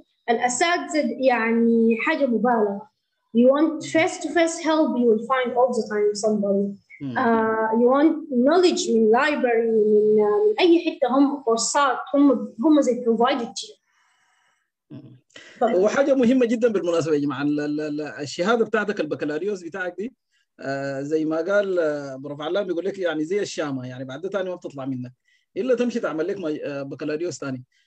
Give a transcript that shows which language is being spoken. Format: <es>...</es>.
<ar>الأساتذة يعني حاجة مبالغة.</ar> <en>You want face to face help, you will find all the time somebody. You want knowledge</en> <ar>من library، من أي حتة، هم كورسات، هم زي</ar> <en>provided to you.</en> <ar>وحاجة مهمة جدا بالمناسبة يا جماعة، الشهادة بتاعتك البكالوريوس بتاعك دي زي ما قال بروف علام، يقول لك يعني زي الشامة، يعني بعد ثاني ما بتطلع منك إلا تمشي تعمل لك بكالوريوس ثاني.</ar>